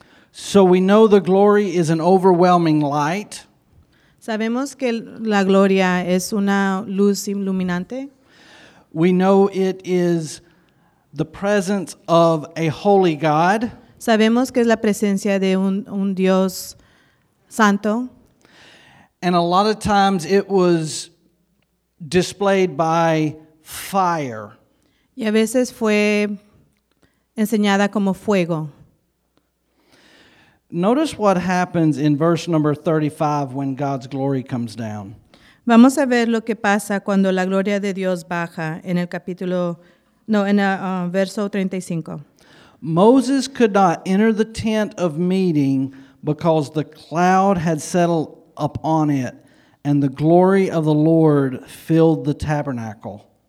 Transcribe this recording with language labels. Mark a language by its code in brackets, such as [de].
[en] So we know the glory is an overwhelming light. [es] Sabemos que la gloria es una luz iluminante. [en] We know it is the presence of a holy God. [es] Sabemos que es la presencia de un Dios santo. [en] And a lot of times it was displayed by fire. [es] Y a veces fue enseñada como fuego. [en] Notice what happens in verse number 35 when God's glory comes down. [es] Vamos a ver lo que pasa cuando la gloria de Dios baja en el capítulo, verso 35. [en] Moses could not enter the tent of meeting because the cloud had settled upon it, and the glory of the Lord filled the tabernacle.